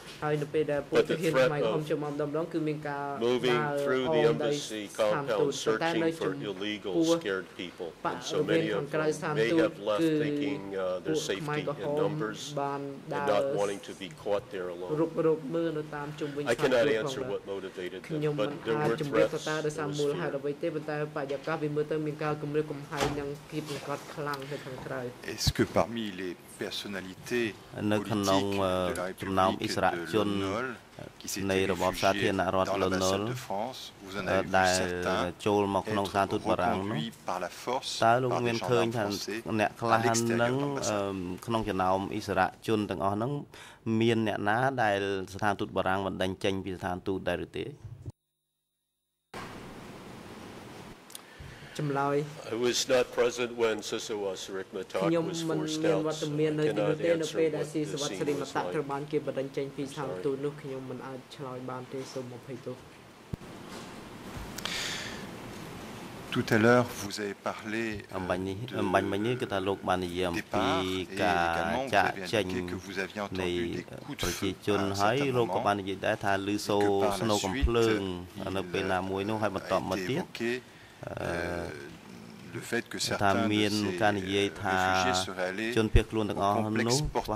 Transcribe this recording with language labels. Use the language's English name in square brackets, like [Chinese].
[English] But the threat of moving through the embassy compound searching for illegal scared people, and so many of them may have left thinking their safety in numbers and not wanting to be caught there alone. I cannot answer what motivated them, but there were threats and was fear. [French] Est-ce que parmi les personnalités politiques de la République de Lonol, qui s'étaient réfugiées dans l'ambassade de France, vous en avez vu certains être reconduits par la force par des gendarmes français à l'extérieur de l'ambassade de France? [English] I was not present when Sisawa Sirikmatak was forced out, so I cannot answer what the scene was like. I'm sorry. [French] Tout à l'heure, vous avez parlé de départ et également vous avez indiqué que vous aviez entendu des coups de feu à un certain moment, et que par la suite, il a été évoqué le fait que certains de ces réfugiés seraient allés au complexe sportif.